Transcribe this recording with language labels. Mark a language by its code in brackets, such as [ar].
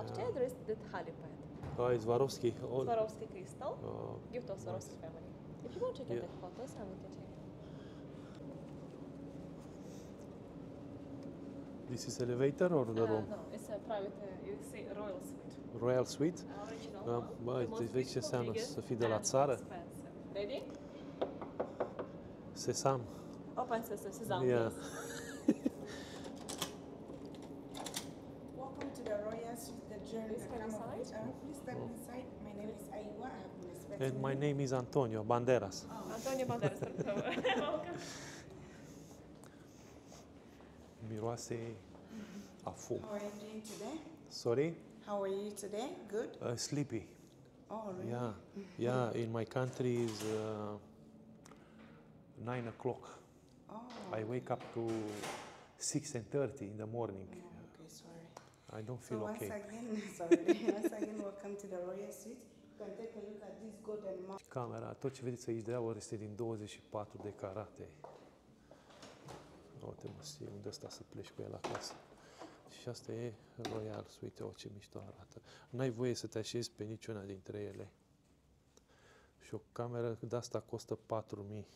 [en] After there is the helipad. Oh, it's Swarovski. All... Swarovski crystal. Oh, gift of Swarovski nice. Family. If you want to get the photos, I will get it. This is elevator or the room? No, it's a private, you see, royal suite. Royal suite? Original. [ro] Bă, îți vezi ce înseamnă să fii de la țară? [en] Ready? Sesam. Open sesam, yeah. Please. And my name is Antonio Banderas. Oh, Antonio Banderas. [ro] Miroase a fum. [en] How are you doing today? Sorry? How are you today? Good? Sleepy. Oh, really? Yeah. Yeah, in my country is 9 o'clock. Oh. I wake up to 6:30 in the morning. Oh, okay, sorry. I don't feel so okay. Once again, welcome to the Royal Suite. You can take a look at this golden mouth. [ro] Camera, tot ce vedeți aici de aur este din 24 de carate. Uite, mă, știi unde asta să pleci cu el acasă. Și asta e Royal Suite, ce mișto arată. N-ai voie să te așezi pe niciuna dintre ele. Și o cameră de asta costă 4.000.